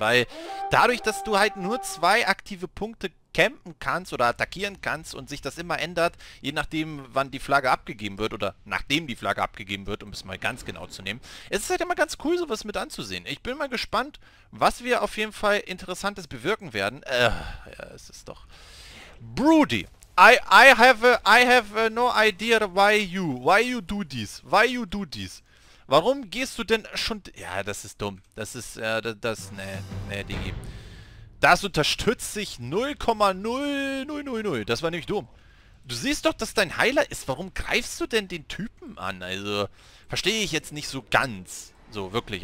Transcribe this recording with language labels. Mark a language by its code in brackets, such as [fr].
[de] Weil dadurch, dass du halt nur zwei aktive Punkte campen kannst oder attackieren kannst und sich das immer ändert, je nachdem wann die Flagge abgegeben wird oder nachdem die Flagge abgegeben wird, um es mal ganz genau zu nehmen. Es ist halt immer ganz cool, sowas mit anzusehen. Ich bin mal gespannt, was wir auf jeden Fall Interessantes bewirken werden. Ja, es ist doch... [en] Broody, I have no idea why you do this. [de] Warum gehst du denn schon... Ja, das ist dumm. Das ist, Digi. Das unterstützt sich 0,0000. Das war nämlich dumm. Du siehst doch, dass dein Heiler ist. Warum greifst du denn den Typen an? Also, verstehe ich jetzt nicht so ganz. So, wirklich.